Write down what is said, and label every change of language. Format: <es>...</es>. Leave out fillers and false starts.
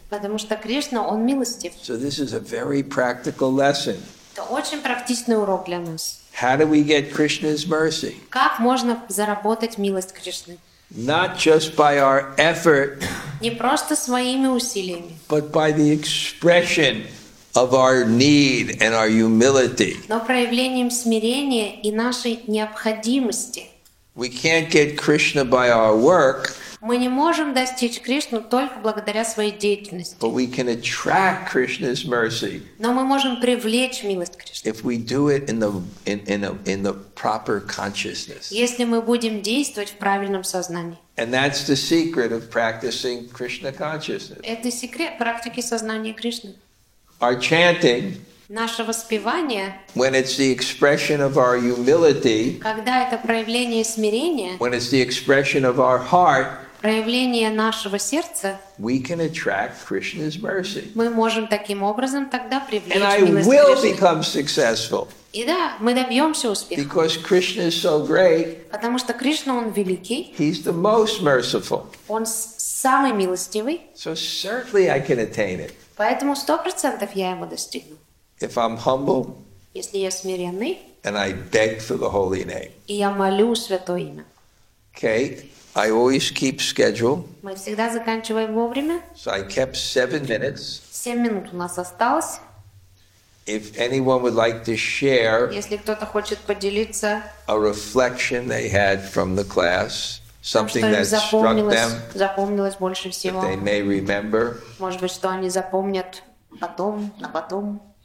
<ru>Потому что Кришна, он милостив.</ru> <en>So this is a very practical lesson.</en> <ru>Это очень практичный урок для нас.</ru> <en>How do we get Krishna's mercy?</en> <ru>Как можно заработать милость Кришны?</ru> <en>Not just by our effort.</en> <ru>Не просто своими усилиями.</ru> <en>But by the expression of our need and our humility.</en> <ru>Но проявлением смирения и нашей необходимости.</ru> <en>We can't get Krishna by our work.</en> <ru>Мы не можем достичь Кришну только благодаря своей деятельности.</ru> <en>But we can attract Krishna's mercy.</en> <ru>Но мы можем привлечь милость Кришны.</ru> <en>If we do it in the proper consciousness.</en> <ru>Если мы будем действовать в правильном сознании.</ru> <en>And that's the secret of practicing Krishna consciousness.</en> <ru>Это секрет практики сознания Кришны.</ru> <en>Our chanting.</en> <ru>Наше воспевание,</ru> <en>when it's the expression of our humility,</en> <ru>когда это проявление смирения,</ru> <en>when it's the expression of our heart,</en> <ru>проявление нашего сердца,</ru> <en>we can attract Krishna's mercy.</en> <ru>Мы можем таким образом тогда привлечь милость Кришны.</ru> <en>And I will become successful.</en> <ru>И да, мы добьемся успеха.</ru> <en>Because Krishna is so great.</en> <ru>Потому что Кришна, он великий.</ru> <en>He's the most merciful.</en> <ru>Он самый милостивый.</ru> <en>So certainly I can attain it.</en> <ru>Поэтому 100% я его достигну.</ru> <en>If I'm humble,</en> <ru>если я смиренный,</ru> <en>and I beg for the holy name,</en> <ru>и я молю святое имя.</ru> <en>Okay, I always keep schedule.</en> <ru>Мы всегда заканчиваем вовремя.</ru> <en>So I kept 7 minutes.</en> <ru>7 минут у нас осталось.</ru> <en>If anyone would like to share,</en> <ru>если кто-то хочет поделиться,</ru> <en>a reflection they had from the class, something</en> <ru>что им</ru> <en>that struck them,</en> <ru>запомнилось больше всего,</ru> <en>that they may remember,</en> <ru>может быть, что они запомнят потом, на потом.</ru>